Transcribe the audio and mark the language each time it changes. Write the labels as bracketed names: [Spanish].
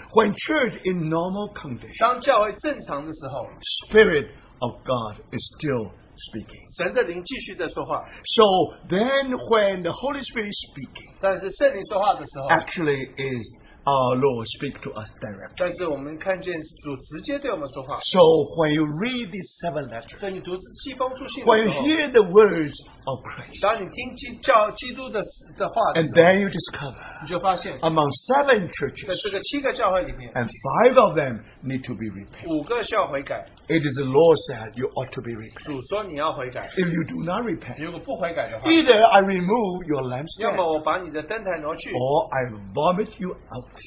[English] When church in normal condition, Spirit of God is still speaking. [Chinese] 神的灵继续在说话, [English] so then when the Holy Spirit is speaking, [Chinese] 但是圣灵说话的时候, [English] actually is our Lord speak to us directly. [Chinese] 但是我们看见主直接对我们说话, [English] so when you read these seven letters, [Chinese] 所以你读七封书信的时候, [English] when you hear the words of Christ, [Chinese] 当你听基督的话的时候, [English] and then you discover, [Chinese] 你就发现, [English] among seven churches, [Chinese] 在这个七个教会里面, [English] and five of them need to be repaid. It is the Lord said you ought to be repaid. If you do not repent, [Chinese] 如果不悔改的话, [English] either I remove your lampstand, or I vomit you out.